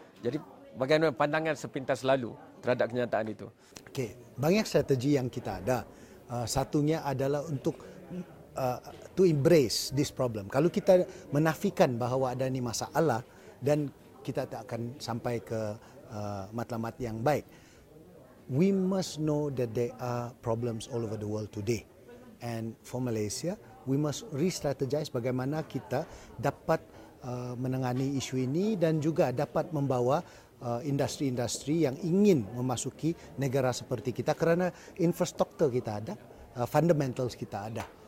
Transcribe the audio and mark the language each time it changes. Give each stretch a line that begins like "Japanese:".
Malay: Jadi, bagaimana pandangan sepintas lalu terhadap kenyataan itu?
English: Okay.
Malay: Banyak strategi yang kita ada. Satunya adalah untuk
English: to embrace this problem.
Malay: Kalau kita menafikan bahawa ada ini masalah, dan kita tak akan sampai ke matlamat yang baik.
English: We must know that there are problems all over the world today. And for Malaysia, we must re-strategize
Malay: bagaimana kita dapat menangani isu ini dan juga dapat membawa industri-industri yang ingin memasuki negara seperti kita, kerana infrastruktur kita ada, fundamentals kita ada.